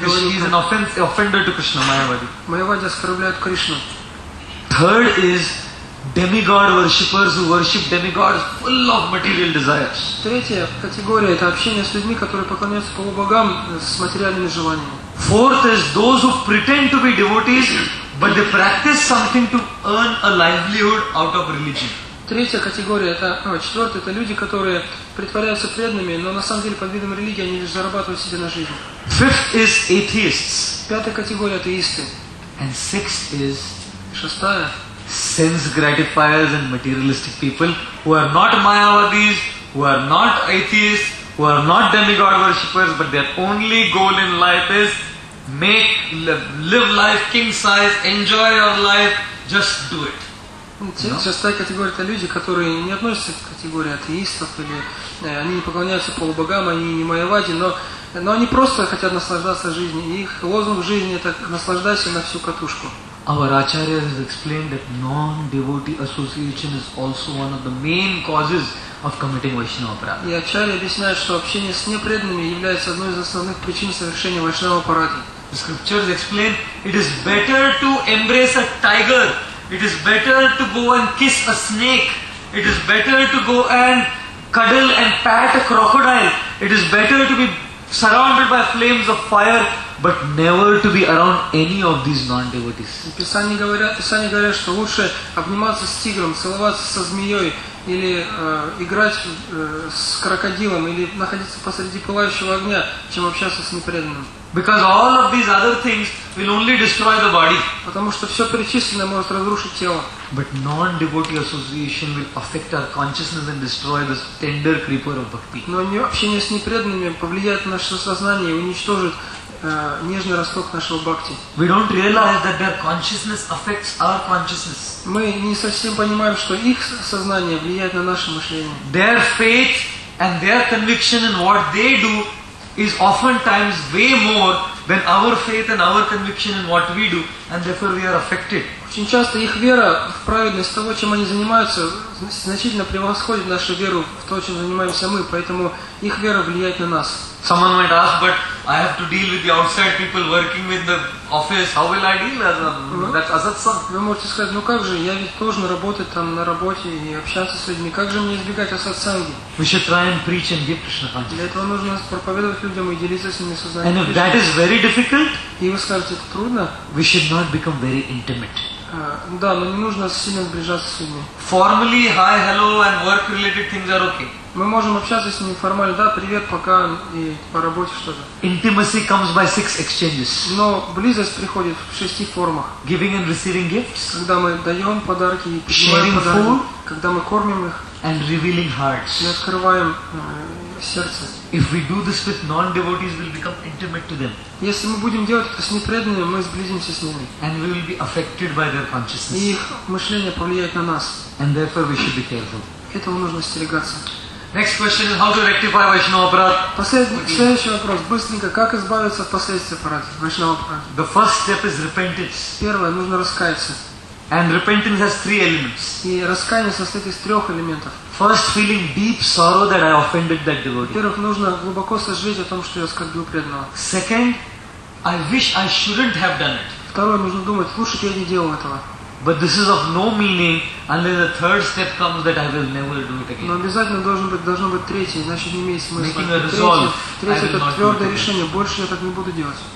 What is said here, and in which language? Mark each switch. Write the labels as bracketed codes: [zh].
[ru] говорит, [en] he is an offender to Krishna, Mayavadi. [ru] Mayavadi оскорбляют Кришну. [en] Third is demigod worshippers who worship demigods full of material desires. [ru] Третья категория – это общение с людьми, которые поклоняются полубогам с материальными желаниями. [en] Fourth is those who pretend to be devotees, but they practice something to earn a livelihood out of religion. [ru] Третья категория, четвертая, это люди, которые притворяются преданными, но на самом деле под видом религии они лишь зарабатывают себе на жизнь. [en] Fifth is atheists. [ru] Пятая категория – атеисты. [en] And sixth is [ru] шестая [en] – sense gratifiers and materialistic people who are not mayavadis, who are not atheists, who are not demigod worshippers, but their only goal in life is make live life king size, enjoy your life, just do it. [ru] Шестая категория – это люди, которые не относятся к категории атеистов, или они не поклоняются полубогам, они не майявади, но они просто хотят наслаждаться жизнью. Их лозунг в жизни – это наслаждайся на всю катушку. [en] Our Acharya has explained that non-devotee association is also one of the main causes of committing Vaishnava Aparadha. [ru] И Acharya объясняет, что общение с непреданными является одной из основных причин совершения Vaishnava Aparadha. [en] The scriptures explain, it is better to embrace a tiger. It is better to go and kiss a snake. It is better to go and cuddle and pat a crocodile. It is better to be surrounded by flames of fire, but never to be around any of these non-devotees. [ru] Писания говорят, что лучше обниматься с тигром, целоваться со змеей, или играть с крокодилом, или находиться посреди пылающего огня, чем общаться с непреданным. [en] Because all of these other things will only destroy the body. [ru] Потому что все перечисленное может разрушить тело. [en] But non-devotee association will affect our consciousness and destroy this tender creeper of bhakti. [ru] Но общение с непреданными повлияет на наше сознание и уничтожит нежный росток нашего бхакти. [en] We don't realize that their consciousness affects our consciousness. [ru] Мы не совсем понимаем, что их сознание влияет на наше мышление. [en] Their faith and their conviction in what they do is oftentimes way more than our faith and our conviction in what we do, and therefore we are affected. [ru] Очень часто их вера в праведность того, чем они занимаются, значительно превосходит нашу веру в то, чем занимаемся мы, поэтому их вера влияет на нас. [en] Someone might ask, but I have to deal with the outside people working with the office. How will I deal as a asatsang? [ru] Вы можете сказать, ну как же, я ведь должен работать там на работе и общаться с людьми. Как же мне избегать асатсанги? [en] We should try and preach and give Krishna consciousness. [ru] Для этого нужно проповедовать людям и делиться с ними сознанием. [en] And if that is very difficult, [ru] и вы скажете, это трудно, [en] we should not become very intimate. [ru] Да, но не нужно сильно сближаться с людьми. [en] Formally, hi, hello, and work-related things are okay. [ru] Мы можем общаться с ними формально, да, привет, пока, и по работе что-то. [en] Intimacy comes by six exchanges. [ru] Но близость приходит в шести формах. [en] Giving and receiving gifts. [ru] Когда мы даем подарки и принимаем [en] sharing [ru] подарки. [en] Food, [ru] когда мы кормим их. [en] And revealing hearts. [ru] И открываем сердце. [en] If we do this with non-devotees, we'll become intimate to them. [ru] Если мы будем делать это с непреданными, мы сблизимся с ними. [en] And we will be affected by their consciousness. [ru] И их мышление повлияет на нас. [en] And therefore we should be careful. [ru] Этого нужно остерегаться. [en] Next question is how to rectify Vaishnava Aparadha. [ru] Следующий вопрос. Быстренько, как избавиться от последствий Vaishnava Aparadha? [en] The first step is repentance. [ru] Первое, нужно раскаяться. [en] And repentance has three elements. [ru] И раскаяние состоит из трех элементов. [en] First, feeling deep sorrow that I offended that devotee. [ru] Во-первых, нужно глубоко сожалеть о том, что я оскорбил преданного. [en] Second, I wish I shouldn't have done it. [ru] Второе, нужно думать, лучше бы я не делал этого. [en] But this is of no meaning unless the third step comes that I will never do it again. [ru] Но обязательно должно быть третье, иначе не имеет смысла. [en] Making a resolve. [ru] Третье это твердое решение. Больше я так не буду делать.